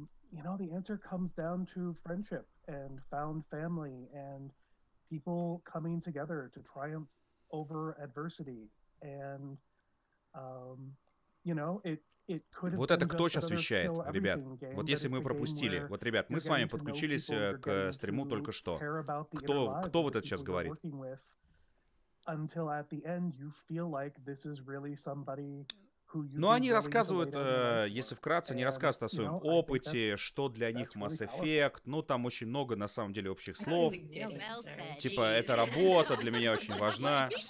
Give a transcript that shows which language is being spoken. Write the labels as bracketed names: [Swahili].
[English] You know, the answer comes down to friendship and found family and people coming together to triumph over adversity. And, you know, it could have [Russian] вот это кто сейчас вещает, ребят? Вот если мы пропустили. Вот, ребят, мы с вами подключились к стриму только что. Кто вот это сейчас говорит? [English] Until at the end you feel like this is really somebody... [Russian] Но они рассказывают, если вкратце, они рассказывают о своем опыте, что для них Mass Effect, ну там очень много на самом деле общих слов, типа эта работа для меня очень важна.